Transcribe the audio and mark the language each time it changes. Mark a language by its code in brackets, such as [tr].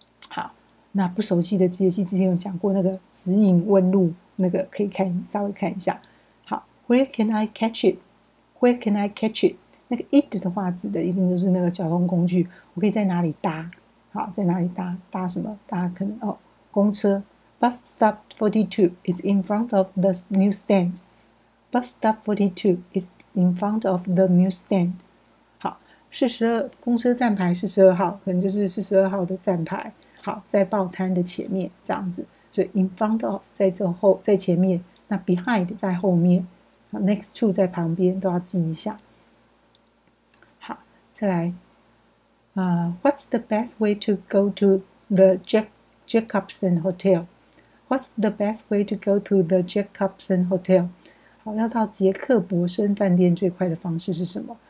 [zh] 好，那不熟悉的介系，之前有讲过那个指引问路，那个可以看，稍微看一下。 [en] 好，Where can I catch it? Where can I catch it? [zh] 那个 it 的话，指的一定就是那个交通工具，我可以在哪里搭？好，在哪里搭？搭什么？搭可能哦，公车。 [en] Bus stop 42 is in front of the newsstand. Bus stop 42 is in front of the newsstand. [zh] 好，公车站牌42号，可能就是42号的站牌。好，在报摊的前面这样子，所以 in front of 在这后，在前面，那 behind 在后面，好 next to 在旁边，都要记一下。 [en] 好，再来，What's the best way to go to the Jacobson Hotel? What's the best way to go to the Jacobson Hotel? [zh] 好，要到杰克伯森饭店最快的方式是什么？